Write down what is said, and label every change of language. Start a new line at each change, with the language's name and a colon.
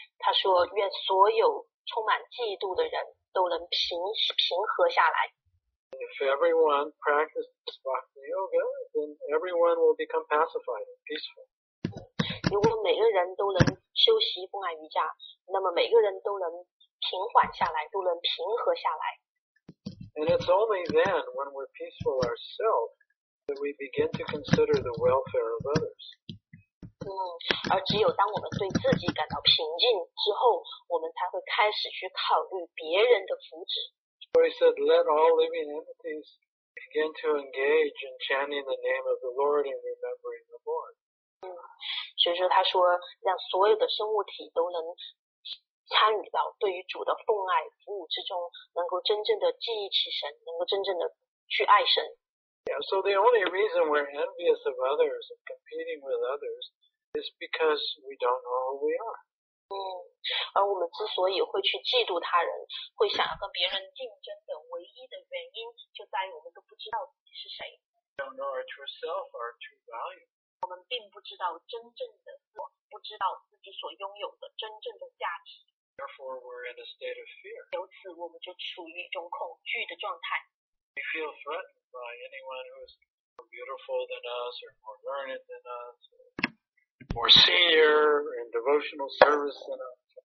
Chinese: 他说愿所有充满嫉妒的人都能平和下来。
English: If everyone practices bhakti yoga, then everyone will become pacified and peaceful.
Chinese: 如果每个人都能修习风爱瑜伽，那么每个人都能平缓下来，都能平和下来。
English: And it's only then, when we're peaceful ourselves, that we begin to consider the welfare of others.
Chinese: 而只有当我们对自己感到平静之后，我们才会开始去考虑别人的福祉。
English: So he said, let all living entities begin to engage in chanting the name of the Lord and remembering the Lord.
Chinese: 所以说他说让所有的生物体都能参与到对于主的奉爱服务之中，能够真正的记忆起神，能够真正的去爱神。
English: Yeah, so the only reason we're envious of others and competing with others is because we don't know who we are.
Chinese: 而我们之所以会去嫉妒他人，会想要跟别人竞争的唯一的原因，就在于我们都不知道自己是谁。
English: We don't know our true self or our true value.
Chinese: 我们并不知道真正的我，不知道自己所拥有的真正的价值。
English: Therefore, we're in a state of fear.
Chinese: 由此，我们就处于一种恐惧的状态。
English: We feel threatened by anyone who is more beautiful than us, or more learned than us, or more senior in devotional service than us.